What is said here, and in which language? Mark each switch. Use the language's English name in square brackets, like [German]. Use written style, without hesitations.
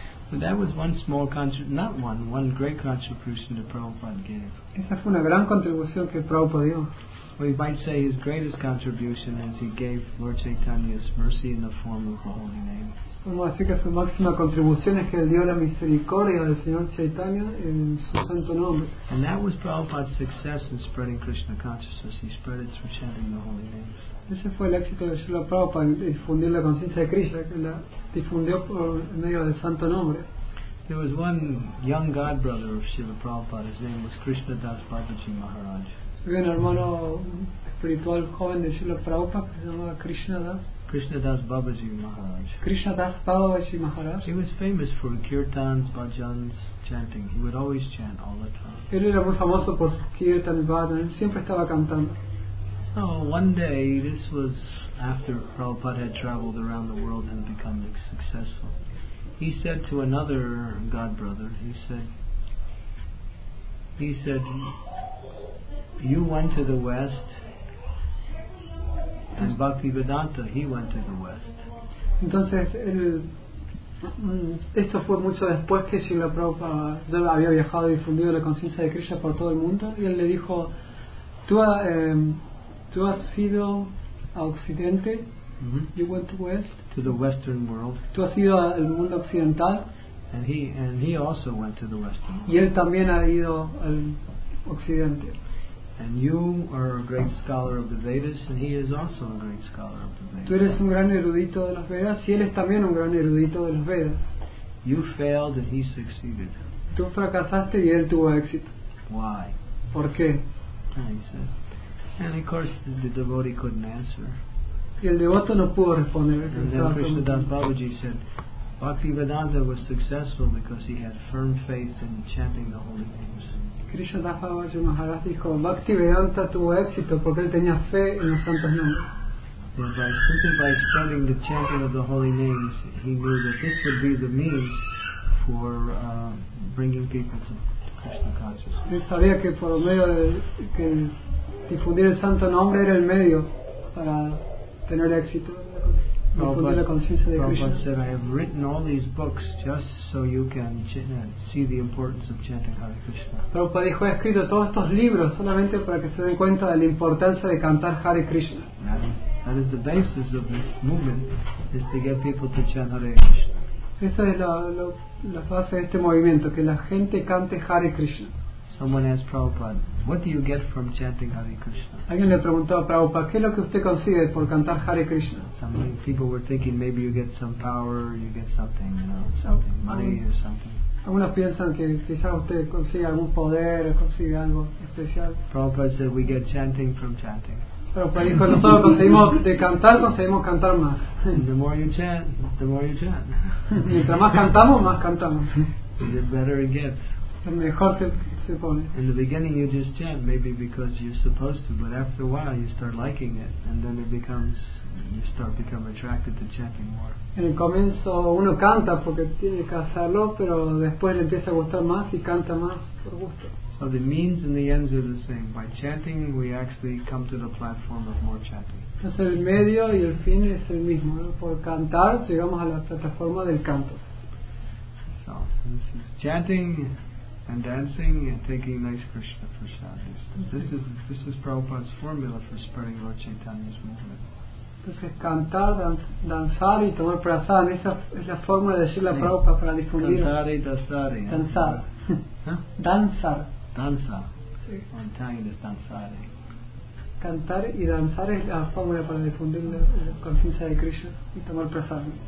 [English] But that was one small contribution, not one, one great contribution that Prabhupada gave. [Spanish] Esa fue una gran contribución que Prabhupada dio. [English] We might say his greatest contribution is he gave Lord Chaitanya's mercy in the form of the holy name. [Spanish] Podemos decir que su máxima contribución es que él dio la misericordia del Señor Chaitanya en su santo nombre. [English] And that was Prabhupada's success in spreading Krishna consciousness. He spread it through chanting the holy names. [Spanish] Ese fue el éxito de Srila Prabhupada en difundir la conciencia de Krishna, que la difundió por medio del santo nombre. [English] There was one young god brother of Srila Prabhupada, his name was Krishna Das Babaji Maharaj. [Spanish] Había un hermano espiritual joven de Srila Prabhupada que se llamaba Krishna Das. Krishna Das Babaji Maharaj. Krishna Das Babaji Maharaj. [English] He was famous for kirtans, bhajans, chanting. He would always chant all the time. [Spanish] Él era muy famoso por kirtan, bhajan, siempre estaba cantando. [English] So one day, this was after Prabhupada had traveled around the world and become successful, he said to another god brother, he said, you went to the West, and Bhaktivedanta, he went to the West. [Spanish] Entonces, esto fue mucho después que Srila Prabhupada ya había viajado y difundido la conciencia de Krishna por todo el mundo, y él le dijo, tú has ido a Occidente. Mm-hmm. [English] You went to West. To the Western world. [Spanish] Tú has ido al mundo occidental. [English] And he also went to the Western world. [Spanish] Y él también ha ido al Occidente. [English] And you are a great scholar of the Vedas, and he is also a great scholar of the Vedas. [Spanish] Tú eres un gran erudito de los Vedas, y él es también un gran erudito de los Vedas. [English] You failed, and he succeeded. [Spanish] Tú fracasaste y él tuvo éxito. [English] Why? [Spanish] ¿Por qué? [English] And he said. And of course, the devotee couldn't answer. [Spanish] Y el devoto no pudo responder. [English] And then Krishna Das Babaji said, Bhaktivedanta was successful because he had firm faith in chanting the holy names. [Spanish] Krishna Das Babaji Maharaj dijo, Bhaktivedanta tuvo éxito porque él tenía fe en los santos nombres. [English] By spreading the chanting of the holy names, he knew that this would be the means for bringing people to Krishna consciousness. [Spanish] Él sabía que por medio de que difundir el santo nombre era el medio para tener éxito en difundir la conciencia de Krishna. [English] Prabhupada said, I have written all these books just so you can see the importance of chanting Hare Krishna. [Spanish] Prabhupada dijo, he escrito todos estos libros solamente para que se den cuenta de la importancia de cantar Hare Krishna. [English] That is the basis of this movement, is to get people to chant Hare Krishna. [Spanish] Esa es la base de este movimiento, que la gente cante Hare Krishna. [English] Someone asked Prabhupada, what do you get from chanting Hare Krishna? [Spanish] Alguien le preguntó a Prabhupada, ¿qué es lo que usted consigue por cantar Hare Krishna? [English] Some people were thinking maybe you get some power, you get something, you know, something, money or something. [Spanish] Algunos piensan que quizá usted consiga algún poder, consiga algo especial. [English] Prabhupada said, we get chanting from chanting. [Spanish] Pero para ir con nosotros conseguimos de cantar, conseguimos cantar más. [English] The more you chant, the more you chant. [Spanish] Mientras más cantamos, más cantamos. [English] The better it gets. [Spanish] El mejor se pone. [English] In the beginning you just chant, maybe because you're supposed to, but after a while you start liking it, and then it becomes, you start become attracted to chanting more. [Spanish] En el comienzo uno canta porque tiene que hacerlo, pero después le empieza a gustar más y canta más por gusto. [English] So the means and the ends are the same. By chanting, we actually come to the platform of more chanting. [Spanish] Entonces el medio y el fin es el mismo, ¿no? Por cantar llegamos a la plataforma del canto. [English] So this is chanting and dancing and taking nice Krishna prasad. This is Prabhupada's formula for spreading Lord Chaitanya's movement. [Spanish] Entonces cantar, danzar y tomar prasad. Esa es la forma de decir la Prabhupada para difundir. Cantar y danzar. Danzar. Danzar. Danza. Sí. En italiano es danzare. Cantar y danzar es la fórmula para difundir la conciencia de Krishna y tomar prasad.